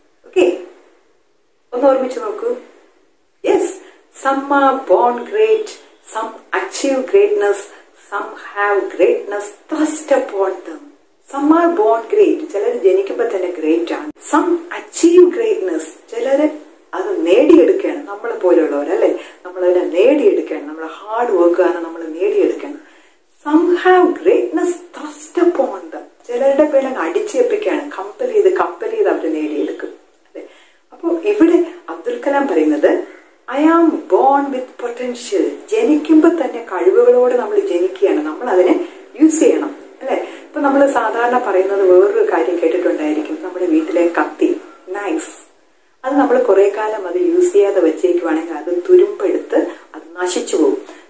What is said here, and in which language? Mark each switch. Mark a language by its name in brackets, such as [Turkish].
[English] okay, [Malayalam] ഒന്ന് ഓർമ്മിച്ചു നോക്കൂ. [English] Yes, some are born great, some achieve greatness, some have greatness thrust upon them. Some are born great, [Malayalam] ചിലർ ജനിക്കുമ്പോ തന്നെ great ആണ്. [English] some achieve greatness, [Malayalam] ചിലര് അത് നേടിയെടുക്കണം. നമ്മളെ പോലെയുള്ളവരല്ലെ, നമ്മളതിനെ നേടിയെടുക്കണം. നമ്മൾ ഹാർഡ് വർക്ക് ആണ് നമ്മൾ നേടിയെടുക്കണം. [English] Some have greatness thrust upon them. [Malayalam] ചിലരുടെ പേരെ അടിച്ചേൽപ്പിക്കുകയാണ്, കമ്പൽ ചെയ്ത് അവർ നേടിയെടുക്കും അല്ലെ. അപ്പൊ ഇവിടെ അബ്ദുൽ കലാം പറയുന്നത്, [English] I am born with potential. [Malayalam] ജനിക്കുമ്പോ തന്നെ കഴിവുകളോട് നമ്മൾ ജനിക്കുകയാണ്, നമ്മൾ അതിനെ യൂസ് ചെയ്യണം അല്ലെ. ഇപ്പൊ നമ്മൾ സാധാരണ പറയുന്നത് വേറൊരു കാര്യം കേട്ടിട്ടുണ്ടായിരിക്കും, നമ്മുടെ വീട്ടിലെ കത്തി, നൈഫ്, അത് നമ്മൾ കുറെ കാലം അത് യൂസ് ചെയ്യാതെ വെച്ചേക്കുവാണെങ്കിൽ അത് തുരുമ്പെടുത്ത് അത് നശിച്ചു പോകും.